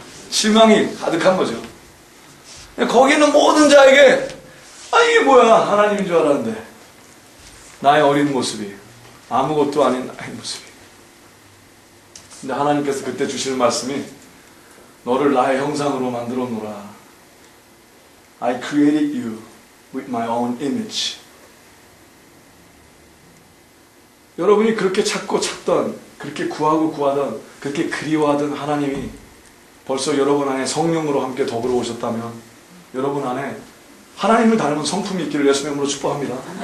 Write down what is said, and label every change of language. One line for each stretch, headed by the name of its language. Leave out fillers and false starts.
Korean: 실망이 가득한 거죠. 거기 있는 모든 자에게 아 이게 뭐야, 하나님인 줄 알았는데 나의 어린 모습이, 아무것도 아닌 나의 모습이. 근데 하나님께서 그때 주시는 말씀이 너를 나의 형상으로 만들어 놓으라.
English: I created you with my own image.
Korean: 여러분이 그렇게 찾고 찾던, 그렇게 구하고 구하던, 그렇게 그리워하던 하나님이 벌써 여러분 안에 성령으로 함께 더불어 오셨다면 여러분 안에 하나님을 닮은 성품이 있기를 예수의 이름으로 축복합니다.